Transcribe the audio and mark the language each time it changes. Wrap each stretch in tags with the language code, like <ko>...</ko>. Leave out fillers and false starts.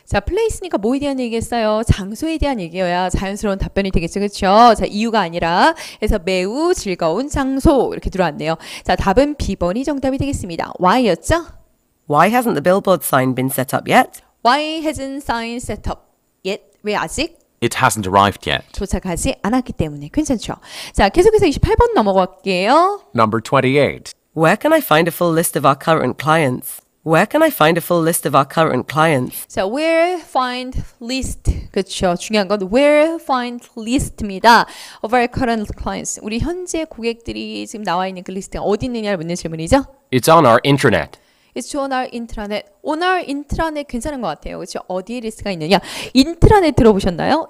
<ko>자, place니까 뭐에 대한 얘기겠어요? 장소에 대한 얘기여야 자연스러운 답변이 되겠죠, 그렇죠? 자, 이유가 아니라 해서 매우 즐거운 장소 이렇게 들어왔네요. 자, 답은 B번이 정답이 되겠습니다. Why였죠?</ko> <en>Why hasn't the billboard sign been set up yet? Why hasn't sign set up yet?</en> <ko>왜 아직?</ko> <en>It hasn't arrived yet.</en> <ko>도착하지 않았기 때문에 괜찮죠? 자, 계속해서 28번 넘어갈게요.</ko> <en>Number 28. Where can I find a full list of our current clients? Where can I find a full list of our current clients? So where find list? 그렇죠.</en> <ko>중요한 건</ko> <en>where find list</en> <ko>입니다.</ko> <en>Of our current clients.</en> <ko>우리 현재 고객들이 지금 나와 있는 그 리스트가 어디 있느냐를 묻는 질문이죠.</ko> <en>It's on our intranet. It's on our intranet. On our intranet</en> <ko>괜찮은 것 같아요. 그렇죠? 어디에 리스트가 있느냐. 인트라넷 들어보셨나요?</ko>